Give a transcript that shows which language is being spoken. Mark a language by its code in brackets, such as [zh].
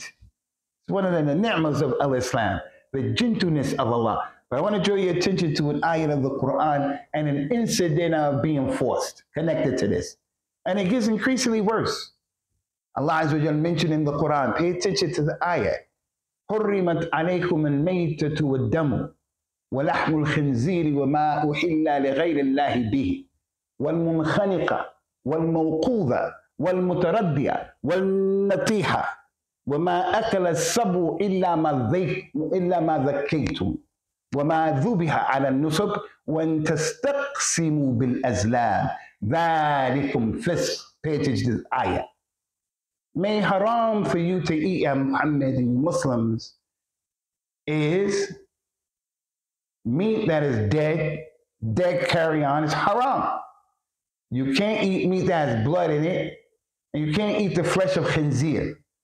[en] It's one of the ni'mas of al-Islam, the gentleness of Allah. But I want to draw your attention to an ayat of the Quran and an incident of being forced, connected to this. And it gets increasingly worse. Allah mentioned in the Quran, pay attention to the ayat. [ar] حُرِّمَتْ عَلَيْكُمَ الْمَيْتَةُ وَالْدَّمُ وَلَحْمُ الْخِنْزِيرِ وَمَا أُحِلَّ لِغَيْرِ اللَّهِ بِهِ وَالْمُنْخَنِقَ والموقوذة والمتردية والنطيحة وما أكل السبو إلا ما ذكيتم وما ذبح على النسب وأن تستقسموا بالأزلام ذلكم فسق. [en] Pay attention to this ayah. May haram for you to eat, ya Muhammad, you Muslims, is meat that is dead carrion is haram. You can't eat meat that has blood in it, and you can't eat the flesh of khinzir.